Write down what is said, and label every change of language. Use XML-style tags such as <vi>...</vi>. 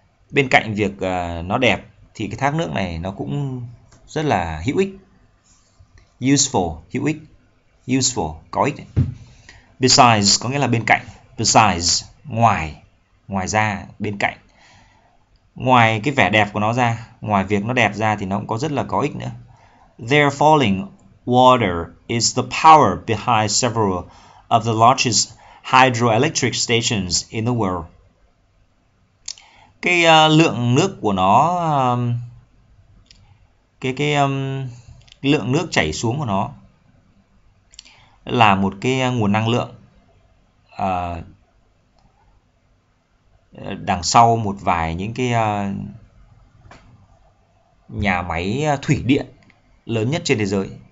<vi>Bên cạnh việc nó đẹp thì cái thác nước này nó cũng rất là hữu ích. Useful, hữu ích. Useful, có ích. Besides có nghĩa là bên cạnh. Besides, ngoài, ngoài ra, bên cạnh. Ngoài cái vẻ đẹp của nó ra, ngoài việc nó đẹp ra thì nó cũng có rất là có ích nữa.</vi> <en>There falling water is the power behind several of the largest hydroelectric stations in the world.</en> <vi>Cái lượng nước của nó, cái lượng nước chảy xuống của nó là một cái nguồn năng lượng đằng sau một vài những cái nhà máy thủy điện lớn nhất trên thế giới.</vi>